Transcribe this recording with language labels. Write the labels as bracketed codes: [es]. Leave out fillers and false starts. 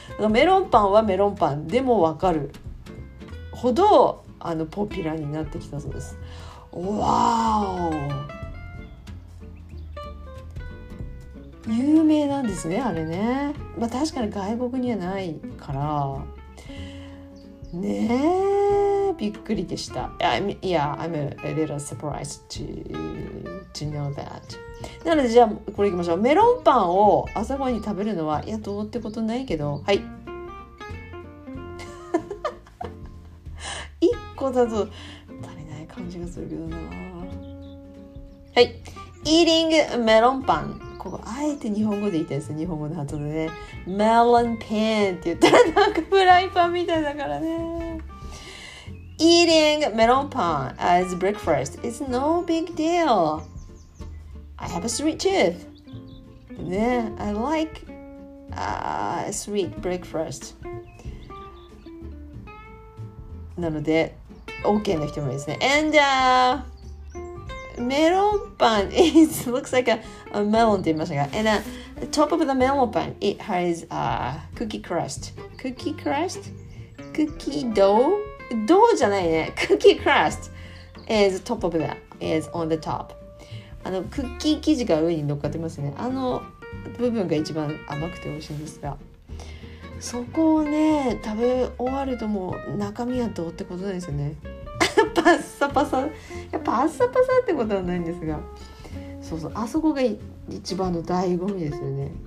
[ja] メロンパンはメロンパンでもわかるほどポピュラーになってきたそうです。わお。有名なんですね、あれね。まあ確かに外国にはないから。ねえ、びっくりでした。 [en] Yeah, I'm a little surprised to know that. [ja] なのでじゃあこれいきましょう。メロンパンを朝ごはんに食べるのはいやどうってことないけど、はい。一個だと足りない感じがするけどな。はい、eating メロンパン、ここあえて日本語で言ったんですよ。日本語の後でね、メロンパンって言ったらなんかフライパンみたいだからね。 [en] eating メロンパン as breakfast is no big deal。 I have a sweet tooth. Yeah, I like a sweet breakfast. [ja] なので、OK の人もいいですね。 [en] And メロンパン、it looks like a melon [ja] って言いましたが、 [en] And the top of the melon pan, it has a cookie crust. Cookie crust? Cookie dough? Dough [ja] じゃないね。 [en] Cookie crust is top of that, is on the top. [ja] あの、クッキー生地が上に乗っかってますね。あの部分が一番甘くて美味しいんですが。そこをね、食べ終わるともう中身はどうってことなんですよね。パッサパサ。いや、パッサパサってことはないんですが。そうそう、あそこが一番の醍醐味ですよね。